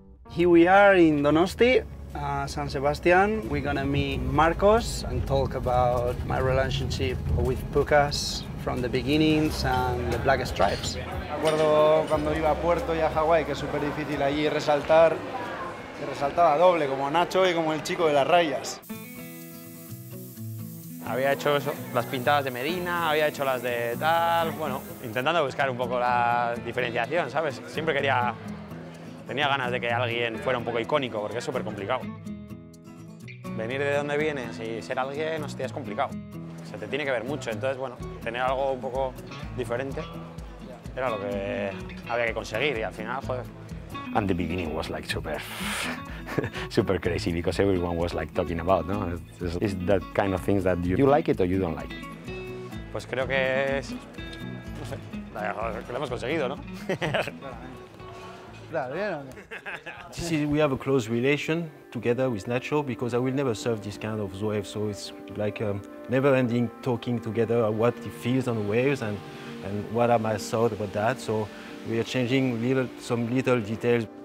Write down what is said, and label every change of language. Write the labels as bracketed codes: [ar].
[en] Here we are in Donosti, San Sebastian. We're gonna meet Marcos and talk about my relationship with Pukas from the beginnings and the Black Stripes. [es] Me acuerdo cuando iba a Puerto y a Hawaii, que es súper difícil allí resaltar. Se resaltaba doble, como Natxo y como el chico de las rayas. Había hecho eso, las pintadas de Medina, había hecho las de tal, bueno, intentando buscar un poco la diferenciación, ¿sabes? Siempre quería, tenía ganas de que alguien fuera un poco icónico, porque es súper complicado. Venir de donde vienes y ser alguien, hostia, es complicado. Se te tiene que ver mucho, entonces, bueno, tener algo un poco diferente era lo que había que conseguir y al final, joder. [en] And the beginning was like super, super crazy because everyone was like talking about, no? It's that kind of things that you like it or you don't like it. [es] Pues creo que es, no sé, que lo hemos conseguido, ¿no? [en] We have a close relation together with Natxo because I will never surf this kind of wave, so it's like never-ending talking together about what it feels on the waves and what are my thoughts about that. So we are changing some little details.